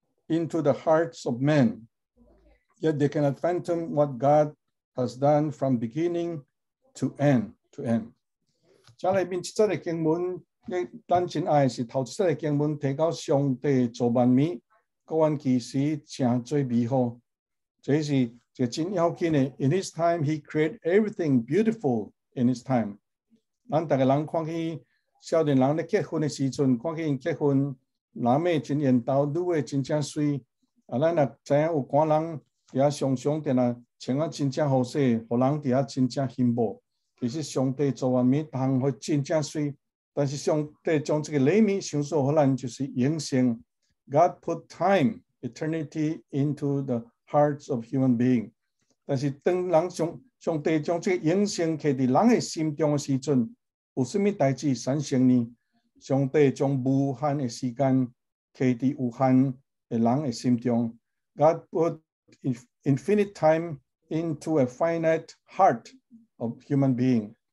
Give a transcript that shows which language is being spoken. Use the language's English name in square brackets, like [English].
[English] Into the hearts of men, yet they cannot fathom what God has done from beginning to end. To end. [Min Nan Chinese] 接下面一节的经文，你咱真爱是头一节的经文，提到上帝做万物，各按其时正做美好。这是一个真要紧的。 [English] In His time, He created everything beautiful. In His time, [Min Nan Chinese] 咱大家人看起少年人咧结婚的时阵，看起因结婚。男的真缘投，女的真正水。咱也知影有寡人伫遐常常定啊，穿啊真正好势，互人伫遐真正羡慕。其实上帝做完每项会真正水，但是上帝将这个礼物想做互咱，就是永生。 [English] God put time, eternity into the hearts of human being。 [Min Nan Chinese] 但是当人上帝将这个永生刻伫人的心中的时阵，有甚物代志产生呢？上帝将无限的时间刻伫有限的人的心中。 [English] God put infinite time into a finite heart of human being。